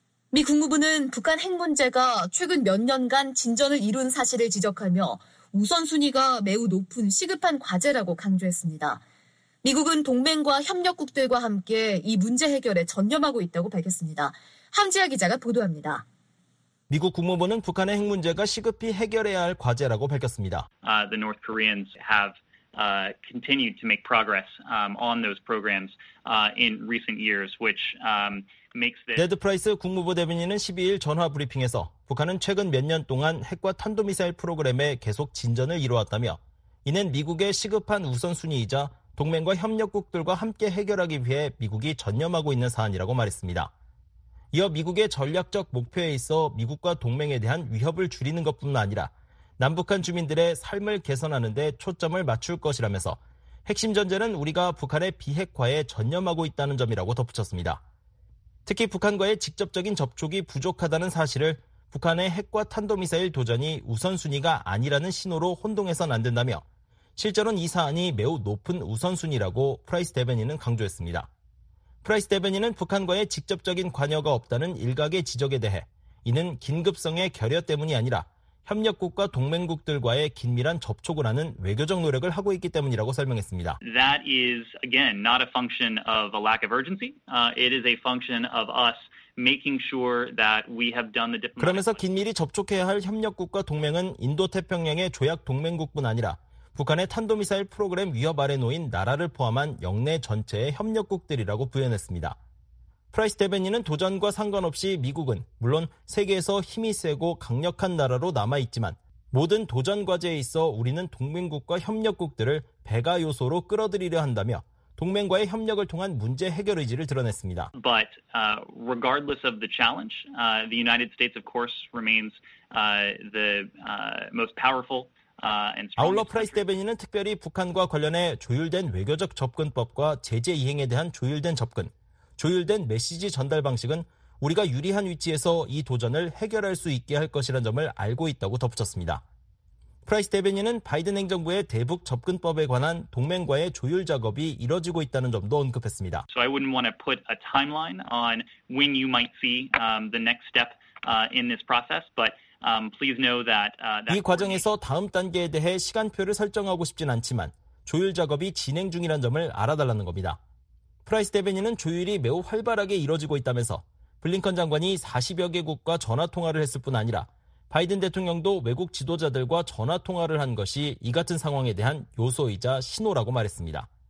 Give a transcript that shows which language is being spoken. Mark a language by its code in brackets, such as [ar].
[ko] 미 국무부는 북한 핵 문제가 최근 몇 년간 진전을 이룬 사실을 지적하며 우선순위가 매우 높은 시급한 과제라고 강조했습니다. 미국은 동맹과 협력국들과 함께 이 문제 해결에 전념하고 있다고 밝혔습니다. 함지아 기자가 보도합니다. 미국 국무부는 북한의 핵 문제가 시급히 해결해야 할 과제라고 밝혔습니다. [en] The North Koreans have continued to make progress on those programs in recent years, which makes this. [ko] 데드 프라이스 국무부 대변인은 12일 전화 브리핑에서 북한은 최근 몇 년 동안 핵과 탄도미사일 프로그램에 계속 진전을 이루었다며 이는 미국의 시급한 우선순위이자 동맹과 협력국들과 함께 해결하기 위해 미국이 전념하고 있는 사안이라고 말했습니다. 이어 미국의 전략적 목표에 있어 미국과 동맹에 대한 위협을 줄이는 것뿐만 아니라 남북한 주민들의 삶을 개선하는 데 초점을 맞출 것이라면서 핵심 전제는 우리가 북한의 비핵화에 전념하고 있다는 점이라고 덧붙였습니다. 특히 북한과의 직접적인 접촉이 부족하다는 사실을 북한의 핵과 탄도미사일 도전이 우선순위가 아니라는 신호로 혼동해서는 안 된다며 실제로는 이 사안이 매우 높은 우선순위라고 프라이스 대변인은 강조했습니다. 프라이스 대변인은 북한과의 직접적인 관여가 없다는 일각의 지적에 대해 이는 긴급성의 결여 때문이 아니라 협력국과 동맹국들과의 긴밀한 접촉을 하는 외교적 노력을 하고 있기 때문이라고 설명했습니다. [en] That is again not a function of a lack of urgency. It is a function of us making sure that we have done the diplomatic. [ko] 그러면서 긴밀히 접촉해야 할 협력국과 동맹은 인도태평양의 조약 동맹국뿐 아니라 북한의 탄도미사일 프로그램 위협 아래 놓인 나라를 포함한 영내 전체의 협력국들이라고 부연했습니다. 프라이스 대변인은 도전과 상관없이 미국은 물론 세계에서 힘이 세고 강력한 나라로 남아있지만 모든 도전 과제에 있어 우리는 동맹국과 협력국들을 배가 요소로 끌어들이려 한다며 동맹과의 협력을 통한 문제 해결 의지를 드러냈습니다. [en] But regardless of the challenge, the United States, of course, remains the most powerful. [ko] 아울러 프라이스 대변인은 특별히 북한과 관련해 조율된 외교적 접근법과 제재 이행에 대한 조율된 접근, 조율된 메시지 전달 방식은 우리가 유리한 위치에서 이 도전을 해결할 수 있게 할 것이라는 점을 알고 있다고 덧붙였습니다. 프라이스 대변인은 바이든 행정부의 대북 접근법에 관한 동맹과의 조율 작업이 이뤄지고 있다는 점도 언급했습니다. [en] So I wouldn't want to put a timeline on when you might see the next step in this process, but please know that [ko] 이 과정에서 다음 단계에 대해 시간표를 설정하고 싶진 않지만 조율 작업이 진행 중이라는 점을 알아달라는 겁니다. 프라이스 대변인은 조율이 매우 활발하게 이뤄지고 있다면서 블링컨 장관이 40여 개국과 전화 통화를 했을 뿐 아니라 바이든 대통령도 외국 지도자들과 전화 통화를 한 것이 이 같은 상황에 대한 요소이자 신호라고 말했습니다.